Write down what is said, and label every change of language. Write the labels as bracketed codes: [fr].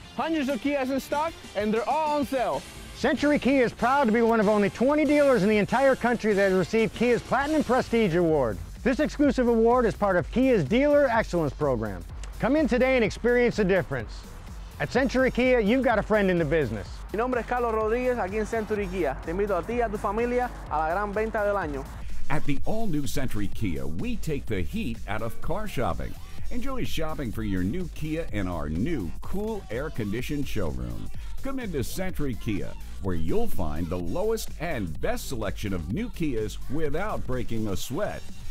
[en] Hundreds of Kias in stock, and they're all on sale. Century Kia is proud to be one of only 20 dealers in the entire country that has received Kia's Platinum Prestige Award. This exclusive award is part of Kia's Dealer Excellence Program. Come in today and experience the difference. At Century Kia, you've got a friend in the business. [es] Mi nombre es Carlos Rodriguez, aquí en Century Kia. Te invito a ti y a tu familia a la gran venta del año. [en] At the all-new Century Kia, we take the heat out of car shopping. Enjoy shopping for your new Kia in our new cool air-conditioned showroom. Come into Century Kia, where you'll find the lowest and best selection of new Kias without breaking a sweat.